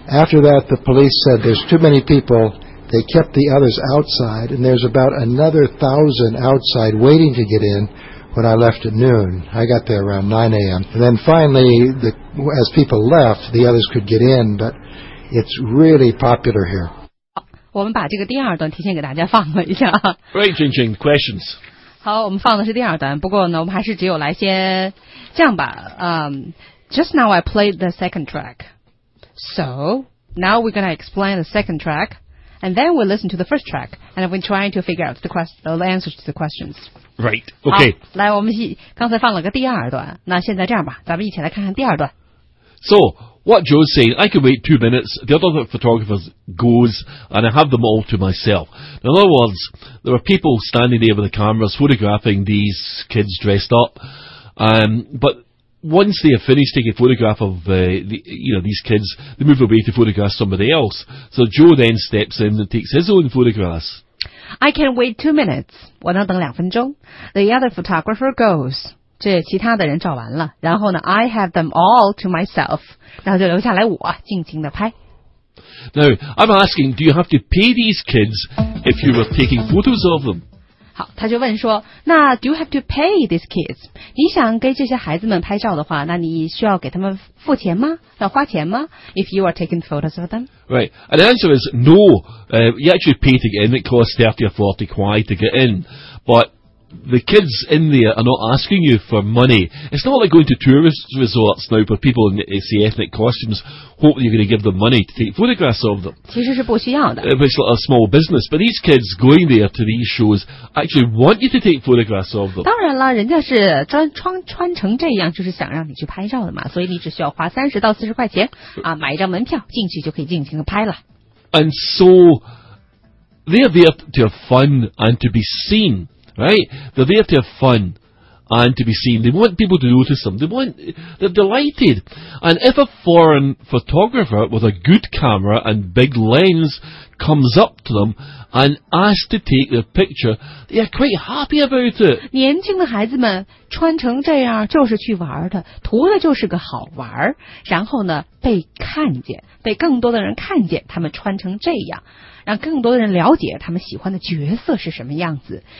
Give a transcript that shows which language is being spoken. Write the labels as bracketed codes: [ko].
[en] After that, the police said there's too many people. They kept the others outside, and there's about another 1,000 outside waiting to get in when I left at noon. I got there around 9 a.m. And then finally, as people left, the others could get in, but it's really popular here. [zh] 我们把这个第二段提前给大家放了一下。 [en] Great, Jing Jing, questions. [zh] 好，我们放的是第二段，不过呢，我们还是只有来先这样吧。 [en] Just now I played the second track. So, now we're going to explain the second track, and then we'll listen to the first track, and we're trying to figure out the answers to the questions. Right, okay. [zh] 好，来，我们刚才放了个第二段，那现在这样吧，咱们一起来看看第二段。 [en] So, what Joe's saying, I can wait 2 minutes, the other photographer goes, and I have them all to myself. In other words, there are people standing there with the cameras photographing these kids dressed up, but once they have finished taking a photograph of these kids, they move away to photograph somebody else. So Joe then steps in and takes his own photographs. I can wait 2 minutes, [zh] 我能等2分钟, [en] the other photographer goes. [zh] 这其他的人照完了，然后呢 ， [en] I have them all to myself， [zh] 然后就留下来我尽情的拍。 Now I'm asking, do you have to pay these kids if you were taking photos of them？好，他就问说，那 [en] do you have to pay these kids？ [zh] 你想给这些孩子们拍照的话，那你需要给他们付钱吗？要花钱吗 [en] ？If you are taking photos of them？ Right, and the answer is no. You actually pay to get in. It costs 30 or 40 kwai to get in, but the kids in there are not asking you for money. It's not like going to tourist resorts now where people in say ethnic costumes hope that you're going to give them money to take photographs of them. [zh] 其实是不需要的。 [en] It's like a small business. But these kids going there to these shows actually want you to take photographs of them. [zh] 当然了，人家是穿成这样就是想让你去拍照的嘛，所以你只需要花30到40块钱啊，买一张门票进去就可以尽情的拍了。 [en] And so they're there to have fun and to be seen, right? They're there to have fun and to be seen. They want people to notice them. They're delighted. And if a foreign photographer with a good camera and big lens comes up to them and asks to take their picture, they are quite happy about it. [zh] 年轻的孩子们穿成这样就是去玩的，图的就是个好玩，然后呢被看见，被更多的人看见他们穿成这样，让更多的人了解他们喜欢的角色是什么样子。